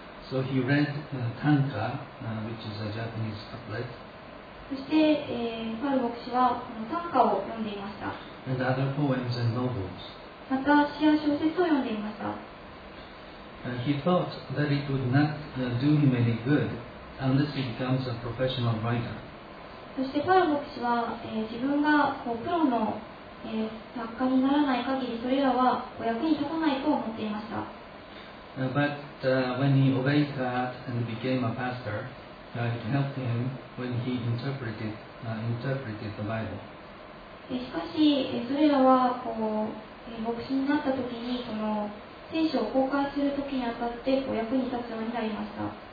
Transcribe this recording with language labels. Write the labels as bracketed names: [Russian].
[English] So he read Tanka, which is a Japanese couplet. [Japanese] そして、パウロ牧師は短歌を読んでいました。 [English] And other poems and novels. [Japanese] また詩や小説を読んでいました。 [English] He thought that it would not do him any good unless he becomes a professional writer. [Japanese] そしてパウロ牧師は、自分がこうプロの、作家にならない限りそれらはお役に立たないと思っていました。 [English] But when he obeyed God and became a pastor, it helped him when he interpreted the Bible. [Japanese] しかし、それらはこう牧師になった時にこの聖書を公開する時にあたってこう役に立つようになりました。